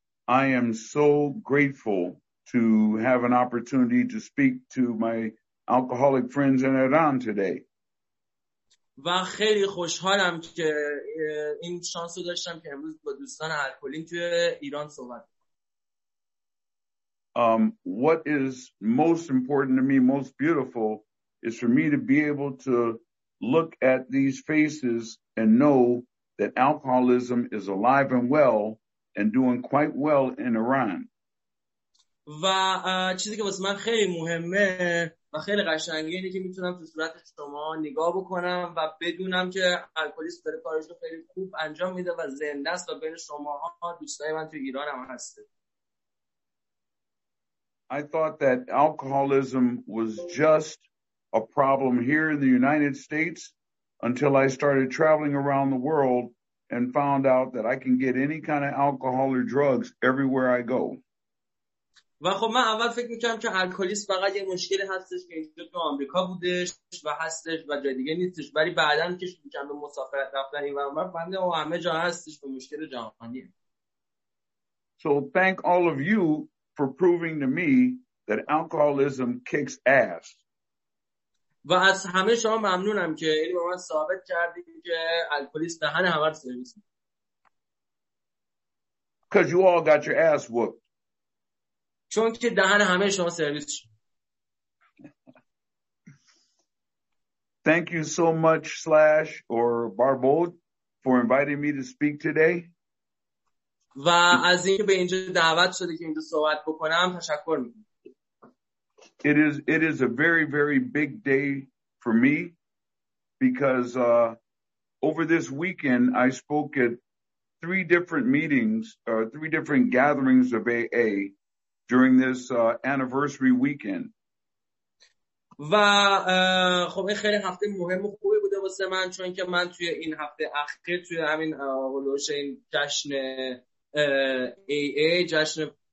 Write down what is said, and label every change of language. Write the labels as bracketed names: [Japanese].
[English] I am so grateful to have an opportunity to speak to my alcoholic friends in Iran today. [Persian] و خیلی خوشحالم که این شانس رو داشتم که امروز با دوستان الکلی توی ایران صحبت کنم. [English] What is most important to me, most beautiful, is for me to be able to look at these faces and know that alcoholism is alive and well and doing quite well in Iran. [Persian] و چیزی که واسه من خیلی مهمه و خیلی قشنگه اینه که میتونم تو صورت شما نگاه بکنم و بدونم که الکلیست داره کارش رو خیلی خوب انجام میده و زنده است و بین شماها دوستای من تو ایران هم هست. [English] I thought that alcoholism was just a problem here in the United States until I started traveling around the world and found out that I can get any kind of alcohol or drugs everywhere I go. [Persian] و خب من اول فکر میکردم که الکلیسم فقط یه مشکل هستش که اینجا تو آمریکا بودش و هستش و جای دیگه نیستش، ولی بعداً که شروع کردم به مسافرت رفتن و من فهمیدم همه جا هستش و مشکل جهانیه. [English] So thank all of you for proving to me that alcoholism kicks ass. [Persian] و از همه شما ممنونم که این به من ثابت کردید که الکلیست دهن همه رو سرویس می‌کنه. [English] Because you all got your ass whooped. [Persian] چون که دهن همه شما سرویس شد. [English] Thank you so much Slash or Barbold for inviting me to speak today. [Persian] و از اینکه به اینجا دعوت شده که اینجا صحبت بکنم تشکر می‌کنم. [English] It is a very, very big day for me because over this weekend I spoke at three different meetings, three different gatherings of AA during this anniversary weekend. [Persian] و خب این خیلی هفته مهم و خوبی بوده واسه من، چون که من توی این هفته اخیر توی همین هولوش این جشن AA، جشن